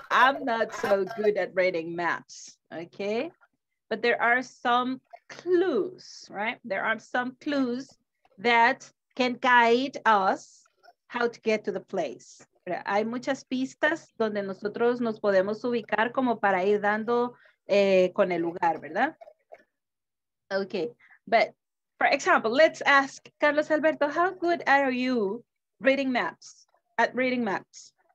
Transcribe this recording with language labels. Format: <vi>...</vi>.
<en>I'm not so good at reading maps, okay? But there are some clues, right? There are some clues that can guide us how to get to the place.</en> <es>Hay muchas pistas donde nosotros nos podemos ubicar como para ir dando con el lugar, ¿verdad?</es> <en>Okay, but for example, let's ask Carlos Alberto, how good are you reading maps, at reading maps?</en>